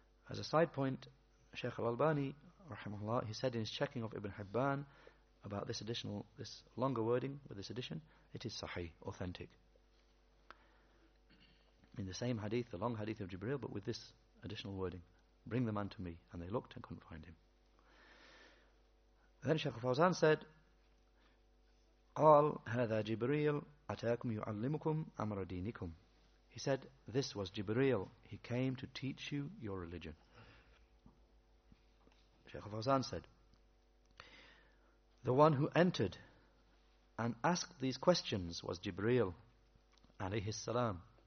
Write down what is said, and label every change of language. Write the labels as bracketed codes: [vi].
[en] As a side point, Shaykh al-Albani rahimahullah, he said in his checking of Ibn Hibban about this longer wording with this addition, it is sahih, authentic. In the same hadith, the long hadith of Jibreel, but with this additional wording, bring the man to me. And they looked and couldn't find him. Then Shaykh al-Fawzan said, [ar] قال هذا جبريل أتاكم يعلمكم أمر دينكم. [en] He said, this was Jibreel. He came to teach you your religion. Shaykh al-Fawzan said, the one who entered and asked these questions was Jibreel, alayhi salam.